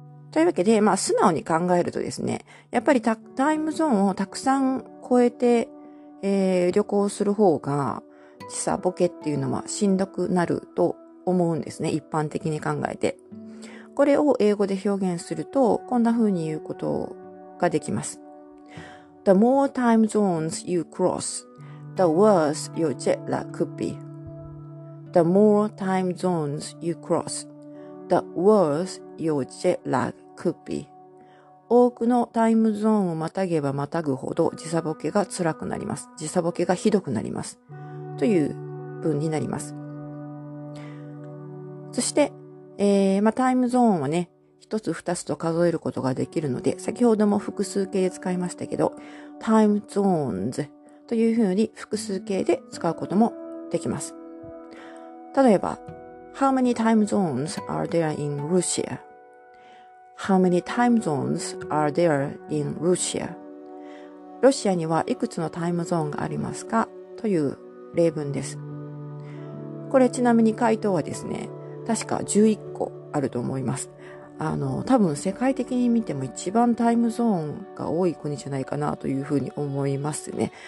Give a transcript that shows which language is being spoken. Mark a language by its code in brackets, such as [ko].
[ja] というわけで、素直に考えるとですね、やっぱりタイムゾーンをたくさん超えて、旅行する方が時差ボケっていうのはしんどくなると思うんですね、一般的に考えて。これを英語で表現するとこんな風に言うことができます。 [en] The more time zones you cross, the worse your jet lag could be. The more time zones you cross, the worse your jet lag could be. [ja] 多くのタイムゾーンをまたげばまたぐほど時差ボケが辛くなります。時差ボケがひどくなります、という文になります。そして、タイムゾーンはね、一つ二つと数えることができるので、先ほども複数形で使いましたけど、タイムゾーンズというふうに複数形で使うこともできます。例えば、 [en] How many time zones are there in Russia? How many time zones are there in Russia? [ja] ロシアにはいくつのタイムゾーンがありますか?という例文です。これちなみに回答はですね、確か11個あると思います。多分世界的に見ても一番タイムゾーンが多い国じゃないかなというふうに思いますね。